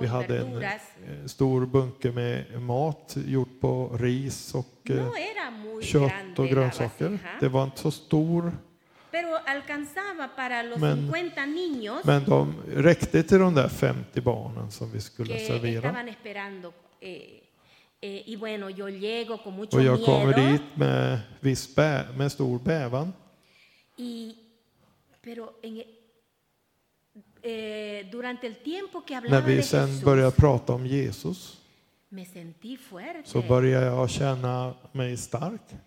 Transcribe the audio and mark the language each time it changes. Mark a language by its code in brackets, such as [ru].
[sv] vi hade en stor bunke med mat gjort på ris och kött och grönsaker. Det var inte så stor. [es] Pero alcanzaba para los 50 niños. [sv] Men de räckte till de där 50 barnen som vi skulle servera. [es] Estaban esperando, y bueno, yo llego con mucho [sv] och jag [es] miedo. [sv] Kommer dit med viss med stor bävan. [es] Y pero en, durante el tiempo que hablaba [sv] när vi sen började prata om Jesus. [es] Me sentí fuerte. [sv] Så började jag känna mig stark.